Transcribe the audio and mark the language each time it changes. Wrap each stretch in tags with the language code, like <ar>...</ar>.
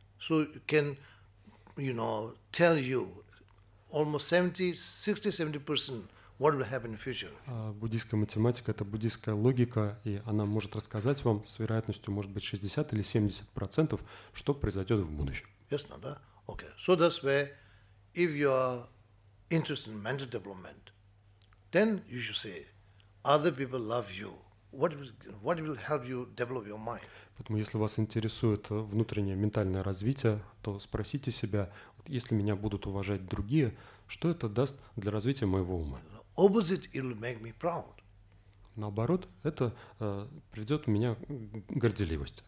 <en>So can you know, tell you almost 60-70% what will happen in the future.</en> <ru>Буддийская математика — это буддийская логика, и она может рассказать вам с вероятностью, может быть, 60 или 70%, что произойдет в будущем. Ясно, да?</ru> <en>Okay. So that's where, if you are interested in mental development, then you should say, other people love you. What will help you develop your mind?</en> <ru>Поэтому, если вас интересует внутреннее ментальное развитие, то спросите себя, если меня будут уважать другие, что это даст для развития моего ума?</ru> <en>Opposite, it will make me proud.</en> <ru>Наоборот, это приведет меня к горделивости.</ru>